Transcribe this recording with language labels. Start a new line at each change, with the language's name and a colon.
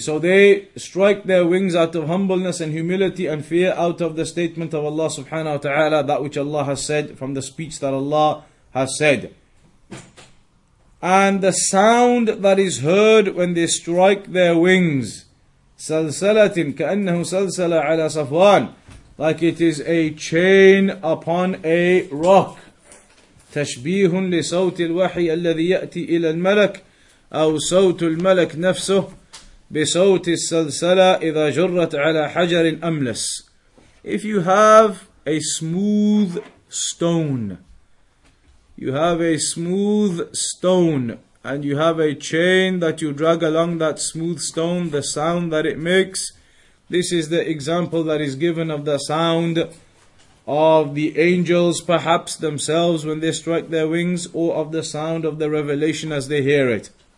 English: So they strike their wings out of humbleness and humility and fear out of the statement of Allah subhanahu wa ta'ala, that which Allah has said, from the speech that Allah has said. And the sound that is heard when they strike their wings,
Arabic: سَلْسَلَةٍ كَأَنَّهُ سَلْسَلَ عَلَى صَفْوَانٍ,
English: like it is a chain upon a rock.
Arabic: تَشْبِيهٌ لِسَوْتِ الْوَحِيَ الَّذِي يَأْتِي إِلَى الْمَلَكِ أو صوت الملك نفسه بصوت السلسلة إذا جرت على حجر أملس.
English: If you have a smooth stone, you have a smooth stone, and you have a chain that you drag along that smooth stone, the sound that it makes, this is the example that is given of the sound of the angels perhaps themselves when they strike their wings, or of the sound of the revelation as they hear it.